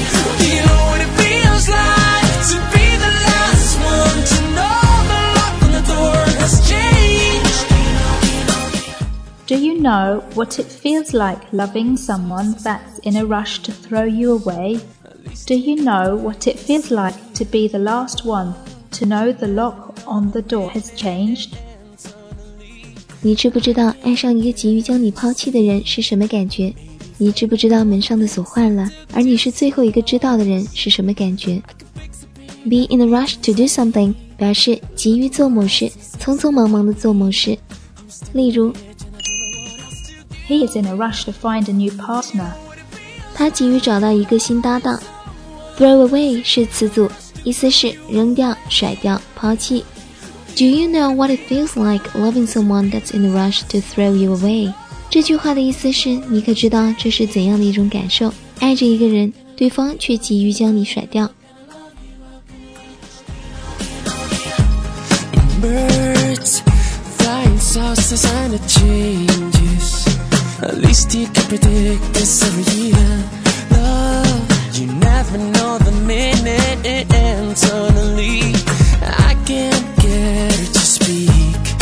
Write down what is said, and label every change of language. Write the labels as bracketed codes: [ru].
[en] Do you know what it feels like? To be the last one to know the lock on the door has changed. Do you know what it feels like loving someone that's in a rush to throw you away? Do you know what it feels like to be the last one to know the lock on the door has changed? [zh] 你知不知道爱上一个急于将你抛弃的人是什么感觉？你知不知道门上的锁换了，而你是最后一个知道的人是什么感觉？ [en] Be in a rush to do something [zh] 表示急于做某事，匆匆忙忙的做某事。例如 [en] He is in a rush to find a new partner. [zh] 他急于找到一个新搭档。 [en] Throw away [zh] 是词组，意思是扔掉、甩掉、抛弃。 [en] Do you know what it feels like loving someone that's in a rush to throw you away? [zh] 这句话的意思是，你可知道这是怎样的一种感受？爱着一个人，对方却急于将你甩掉。 [en] Birds flying south to sign a changesAt least you can predict this every year. Love, you never know the minute it ends. Suddenly, I can't get it to speak.